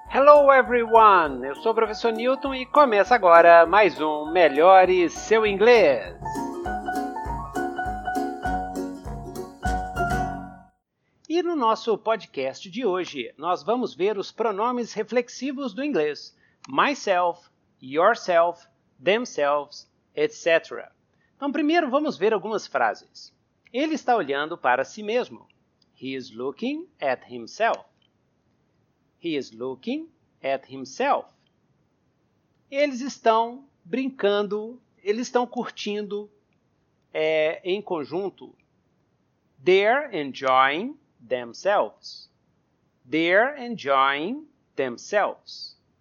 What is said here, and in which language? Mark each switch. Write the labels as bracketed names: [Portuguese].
[English] Hello everyone, [Portuguese] eu sou o professor Newton e começa agora mais um Melhore Seu Inglês. E no nosso podcast de hoje, nós vamos ver os pronomes reflexivos do inglês. [English] Myself, yourself, themselves, etc. [Portuguese] Então primeiro vamos ver algumas frases. Ele está olhando para si mesmo. [English] He is looking at himself. He is looking at himself. [Portuguese] Eles estão brincando, eles estão curtindo em conjunto. [English] They're enjoying themselves. They're enjoying themselves.